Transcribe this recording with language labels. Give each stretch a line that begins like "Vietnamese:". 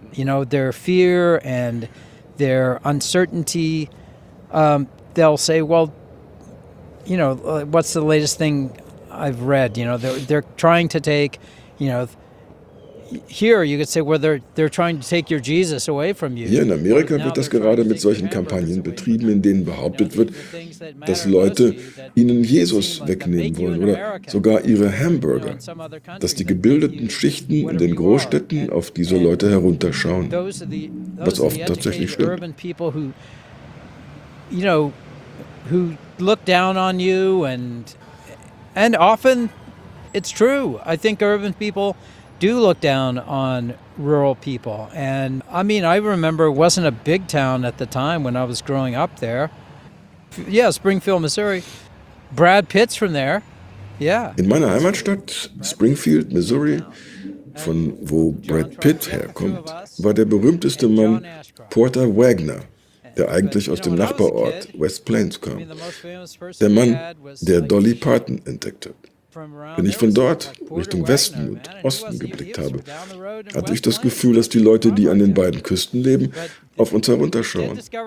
English: You know, their fear and their uncertainty. They'll say, well, you know, what's the latest thing I've read? You know, they're trying to take, you know, here you could say, well, they're trying to take your Jesus away from you.
German: Hier in Amerika wird das gerade mit solchen Kampagnen betrieben, in denen behauptet wird, dass Leute ihnen Jesus wegnehmen wollen oder sogar ihre Hamburger, dass die gebildeten Schichten in den Großstädten auf diese Leute herunterschauen, was oft tatsächlich stimmt.
English: You know, who look down on you, and often it's true. I think urban people do look down on rural people. And I mean, I remember it wasn't a big town at the time when I was growing up there. Yeah, Springfield, Missouri. Brad Pitt's from there. Yeah.
German: In meiner Heimatstadt, Springfield, Missouri, von wo Brad Pitt herkommt, war der berühmteste Mann Porter Wagner, der eigentlich aus dem Nachbarort West Plains kam. Der Mann, der Dolly Parton entdeckt hat. Wenn ich von dort Richtung Westen und Osten geblickt habe, hatte ich das Gefühl, dass die Leute, die an den beiden Küsten leben, auf uns herunterschauen.